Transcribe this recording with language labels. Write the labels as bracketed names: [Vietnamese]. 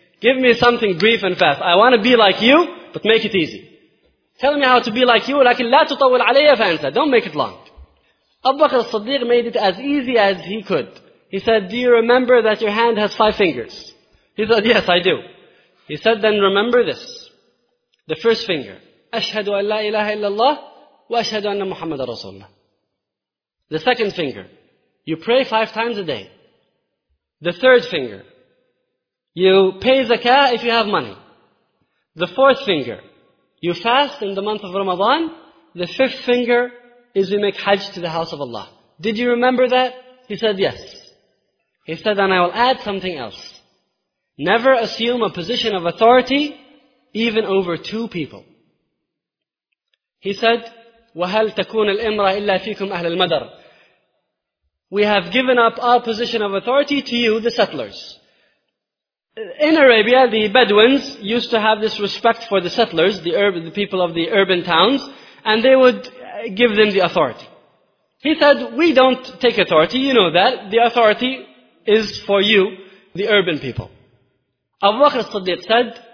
[English] Give me something brief and fast. I want to be like you, but make it easy. Tell me how to be like you, [Arabic] لكن لا تطول علي فانسا. [English] Don't make it long. Abu Bakr as-Siddiq made it as easy as he could. He said, do you remember that your hand has five fingers? He said, yes, I do. He said, then remember this. The first finger. [Arabic] أشهد أن لا إله إلا الله وأشهد أن محمد رسول الله. [English] The second finger. You pray five times a day. The third finger. You pay zakah if you have money. The fourth finger. You fast in the month of Ramadan. The fifth finger is you make hajj to the house of Allah. Did you remember that? He said, yes. He said, and I will add something else. Never assume a position of authority, even over two people. He said, [Arabic] وَهَلْ تَكُونَ الْإِمْرَ إِلَّا فِيكُمْ أَهْلَ الْمَدَرِ. [English] We have given up our position of authority to you, the settlers. In Arabia, the Bedouins used to have this respect for the settlers, the people of the urban towns, and they would give them the authority. He said, we don't take authority, you know that. The authority is for you, the urban people. Abu Bakr as-Siddiq said,